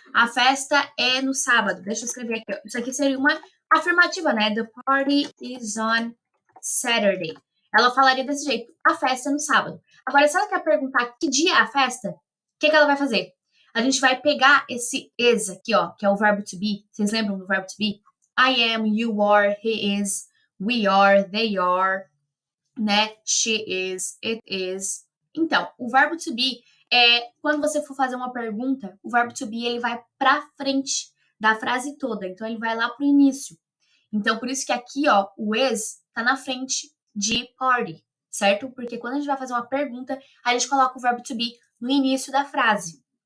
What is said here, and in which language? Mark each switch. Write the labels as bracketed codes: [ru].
[pt] A festa é no sábado. Deixa eu escrever aqui. Isso aqui seria uma afirmativa, né? [en] The party is on Saturday. [pt] Ela falaria desse jeito. A festa é no sábado. Agora, se ela quer perguntar que dia é a festa, o que, que ela vai fazer? A gente vai pegar esse is aqui, ó, que é o verbo to be. Vocês lembram do verbo to be? [en] I am, you are, he is, we are, they are, né? She is, it is. [pt] Então, o verbo to be é quando você for fazer uma pergunta, o verbo to be ele vai pra frente da frase toda. Então, ele vai lá pro início. Então, por isso que aqui, ó, o is tá na frente de party, certo? Porque quando a gente vai fazer uma pergunta, a gente coloca o verbo to be no início da frase.